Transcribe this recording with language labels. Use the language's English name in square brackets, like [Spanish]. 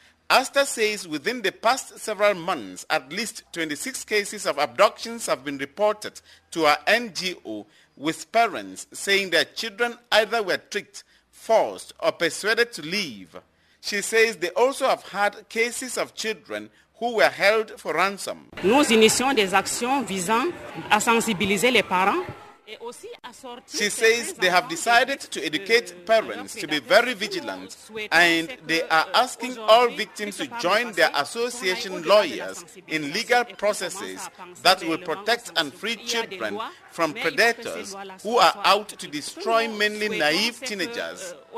[English] Asta says within the past several months, at least 26 cases of abductions have been reported to her NGO, with parents saying their children either were tricked, forced or persuaded to leave. She says they also have had cases of children who were held for ransom. [French] Nous initions des actions visant à sensibiliser les parents. [English] She says they have decided to educate parents to be very vigilant and they are asking all victims to join their association lawyers in legal processes that will protect and free children from predators who are out to destroy mainly naive teenagers.